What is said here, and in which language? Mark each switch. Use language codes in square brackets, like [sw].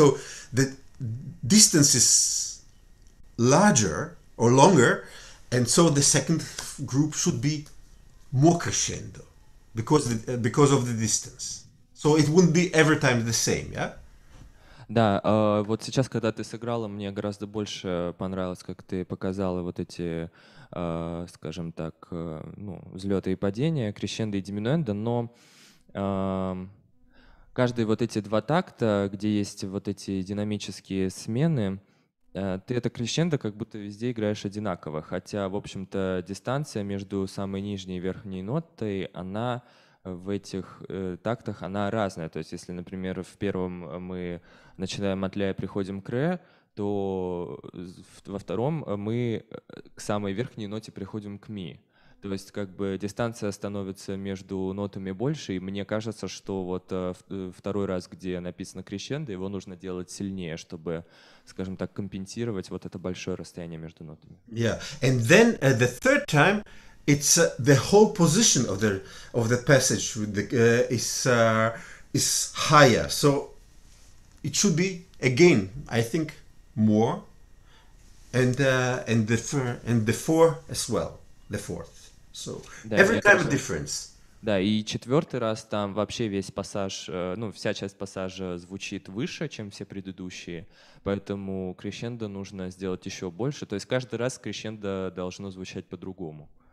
[en] So the distance is larger or longer, and so the second group should be more crescendo because of the distance. So it wouldn't be every time the same, yeah? [ru] Да, вот сейчас, когда ты сыграла, мне гораздо больше понравилось, как ты показала вот эти, скажем так, ну, взлеты и падения, крещендо и диминуэндо, но каждые вот эти два такта, где есть вот эти динамические смены, ты это крещендо как будто везде играешь одинаково, хотя, в общем-то, дистанция между самой нижней и верхней нотой, она в этих тактах, она разная. То есть, если, например, в первом мы начинаем от ля и приходим к ре, то во втором мы к самой верхней ноте приходим к ми. То есть, как бы, дистанция становится между нотами больше, и мне кажется, что вот второй раз, где написано крещендо, его нужно делать сильнее, чтобы, скажем так, компенсировать вот это большое расстояние между нотами. [en] Yeah, and then the third time it's the whole position of the passage with the is higher, so it should be again, I think, more, and the fourth, so [ru] да, [en] every time a difference. [ru] Да, и четвертый раз там вообще весь пассаж, ну вся часть пассажа звучит выше, чем все предыдущие, поэтому крещендо нужно сделать еще больше. То есть каждый раз крещендо должно звучать по-другому.